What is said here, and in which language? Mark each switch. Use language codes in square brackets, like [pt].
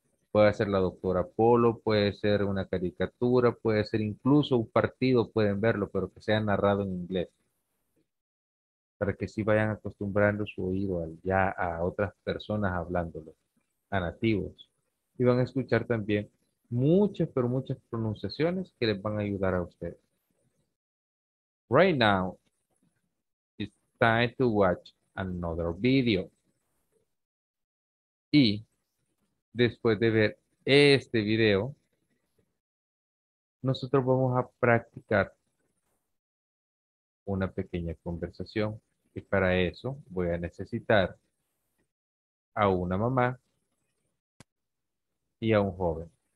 [es] Puede ser la doctora Polo, puede ser una caricatura, puede ser incluso un partido, pueden verlo, pero que sea narrado en inglés. Para que sí vayan acostumbrando su oído ya a otras personas hablándolo, a nativos. Y van a escuchar también muchas, pero muchas pronunciaciones que les van a ayudar a ustedes. [en] Right now, it's time to watch another video. [es] Y después de ver este video, nosotros vamos a practicar una pequeña conversación. Y para eso voy a necesitar a una mamá y a un joven.